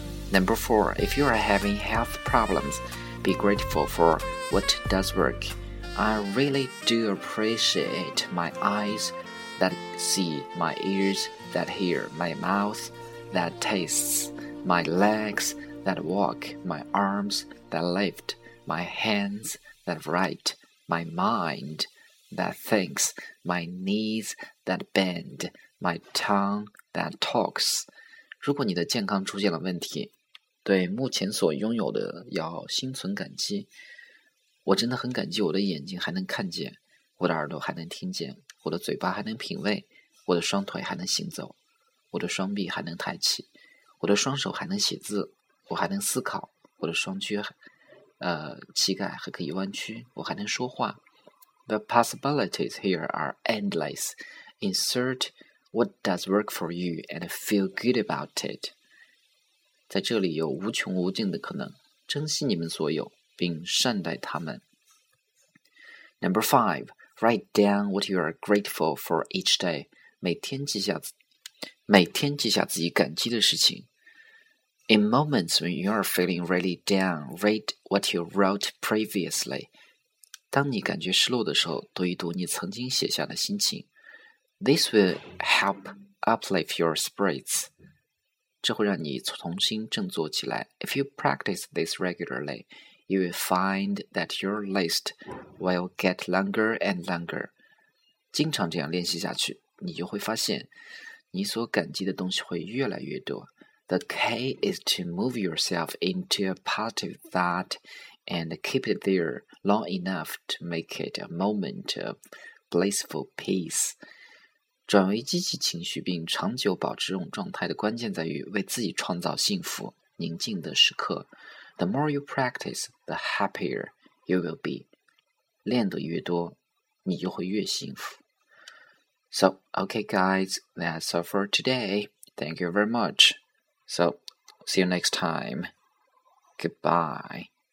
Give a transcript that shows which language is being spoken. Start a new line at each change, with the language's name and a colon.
English: Number four, if you are having health problems, be grateful for what does work. I really do appreciate my eyes that see, my ears that hear, my mouth that tastes, my legs that walk, my arms that lift, my hands that write, my mindthat thinks, my knees that bend, my tongue that talks.
Chinese: 如果你的健康出现了问题，对目前所拥有的要心存感激。我真的很感激我的眼睛还能看见，我的耳朵还能听见，我的嘴巴还能品味，我的双腿还能行走，我的双臂还能抬起，我的双手还能写字，我还能思考，我的双膝膝盖还可以弯曲，我还能说话。
English: The possibilities here are endless. Insert what does work for you and feel good about it.
Chinese: 在这里有无穷无尽的可能，珍惜你们所有，并善待他们。
English: Number 5, write down what you are grateful for each day.
Chinese: 每天记下自己感激的事情。
English: In moments when you are feeling really down, read what you wrote previously.
Chinese: 当你感觉失落的时候，读一读你曾经写下的心情。
English: This will help uplift your spirits.
Chinese: 这会让你重新振作起来。
English: If you practice this regularly, you will find that your list will get longer and longer.
Chinese: 经常这样练习下去，你就会发现你所感激的东西会越来越多。
English: The key is to move yourself into a positive thought and keep it there long enough to make it a moment of blissful peace.
Chinese: 转为积极情绪并长久保持这种状态的关键在于为自己创造幸福、宁静的时刻。
English: The more you practice, the happier you will be.
Chinese: 练得越多，你就会越幸福。
English: So, okay guys, that's all for today. Thank you very much. So, see you next time. Goodbye.